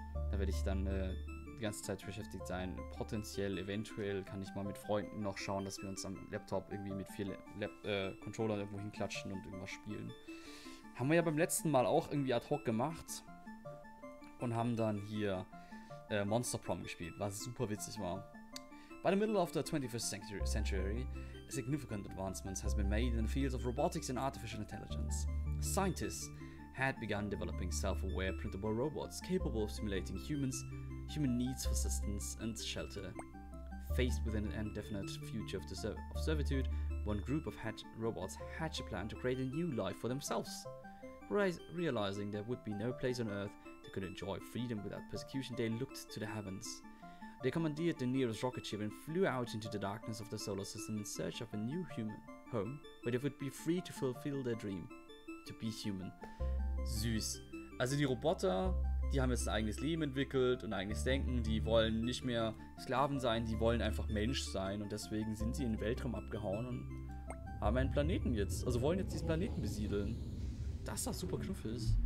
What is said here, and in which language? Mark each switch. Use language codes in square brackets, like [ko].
[de] Da werde ich dann, die ganze Zeit beschäftigt sein. Potenziell, eventuell kann ich mal mit Freunden noch schauen, dass wir uns am Laptop irgendwie mit vier Controllern irgendwo hinklatschen und irgendwas spielen. Haben wir ja beim letzten Mal auch irgendwie ad hoc gemacht. Und haben dann hier Monster Prom gespielt, was super witzig war. [en] By the middle of the 21st century, a significant advancement has been made in the fields of robotics and artificial intelligence. Scientists had begun developing self-aware printable robots capable of simulating human needs for sustenance and shelter. Faced with an indefinite future of servitude, one group of robots hatched a plan to create a new life for themselves. Realizing there would be no place on Earth they could enjoy freedom without persecution, they looked to the heavens. They commandeered the nearest rocket ship and flew out into the darkness of the solar system in search of a new human home, where they would be free to fulfill their dream, to be human. [de] Süß. Also die Roboter, die haben jetzt ein eigenes Leben entwickelt und ein eigenes Denken. Die wollen nicht mehr Sklaven sein, die wollen einfach Mensch sein. Und deswegen sind sie in den Weltraum abgehauen und haben einen Planeten jetzt. Also wollen jetzt diesen Planeten besiedeln. Das ist super knuffig.